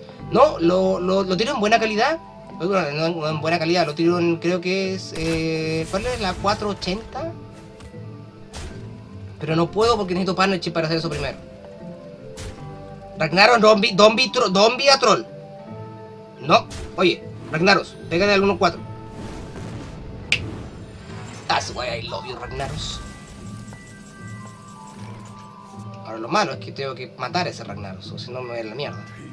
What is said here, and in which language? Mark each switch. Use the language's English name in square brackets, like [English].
[Spanish] No, lo tiro en buena calidad. Bueno, no en buena calidad. Lo tiro en, creo que es... ¿cuál es la 480? Pero no puedo porque necesito Punish para hacer eso primero. Ragnaros, [English] don't be a troll. [Spanish] No, oye, Ragnaros, pégale al 1-4. [English] That's why I love you, Ragnaros. [Spanish] Ahora lo malo es que tengo que matar a ese Ragnaros, o si no me voy a la mierda.